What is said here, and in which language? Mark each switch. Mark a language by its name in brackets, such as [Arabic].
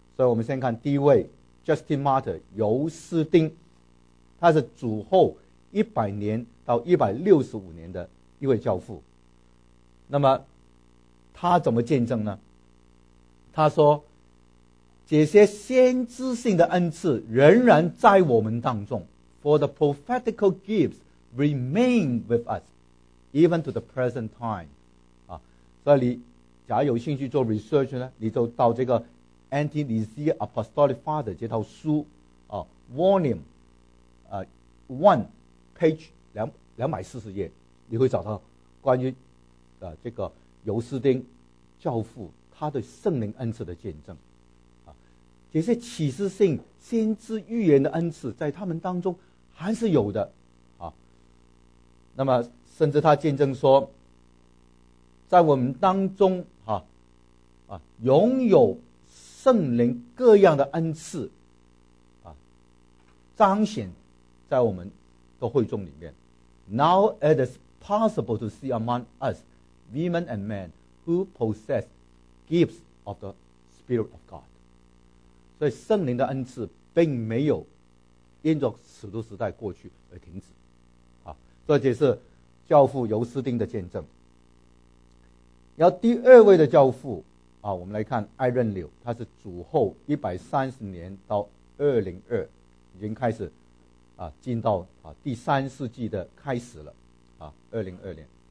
[Chinese] 所以我们先看第一位Justin Martyr 尤斯丁，他是主后100年到165年的一位教父。那么他怎么见证呢？他说这些先知性的恩赐仍然在我们当中。 [English] For the prophetical gifts remain with us, even to the present time. [Chinese] 啊，所以你假如有兴趣做 research 呢，你就到这个 Anti-Nicene Apostolic Fathers 这套书啊 ，Volume 啊 One Page 240页，你会找到关于这个尤斯丁教父他对圣灵恩赐的见证。这些启示性先知预言的恩赐在他们当中还是有的啊。那么甚至他见证说，在我们当中拥有圣灵各样的恩赐啊，彰显在我们的会众里面。 [English] Now it is possible to see among us women and men who possess gifts of the Spirit of God. [Chinese] 所以圣灵的恩赐并没有因着使徒时代过去而停止啊，这就是教父尤斯丁的见证。然后第二位的教父啊，我们来看艾任柳，他是主后130年到202，已经开始啊进到啊第三世纪的开始了啊，202年。